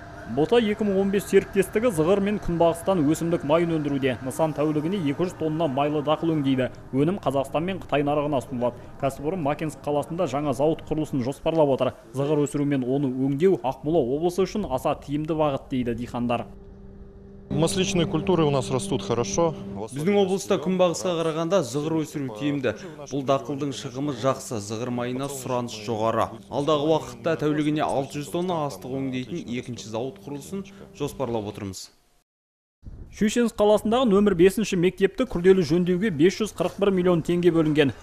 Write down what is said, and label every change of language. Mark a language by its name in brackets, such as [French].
[Kazakh] Бота 2015 серіктестігі зығыр мен күнбағыстан өсімдік майын өндіруде. Нысан тәулігіне 200 тонна майлы дақыл өңдейді. Өнім Қазақстан мен Қытай нарығына ұсынылады. Кәсіпорын Макинск қаласында жаңа зауыт құрылысын жоспарлап отыр. Зығыр өсіру мен оны өңдеу Ақмола облысы үшін аса тиімді бағыт, дейді дихандар. [Russian] Масличные культуры у нас растут хорошо. [Kazakh] Біздің облыста күнбағысқа қарағанда зығыр өсіру тиімді. Бұл дақылдың шығымы жақсы, зығыр майына сұраныс жоғары. Алдағы уақытта тәулігіне 600 тонна астық өңдейтін екінші зауыт құрылысын жоспарлап отырмыз. Шүйшенс қаласындағы нөмір 5-ші мектепті күрделі жөндеуге 541 миллион теңге бөлінген.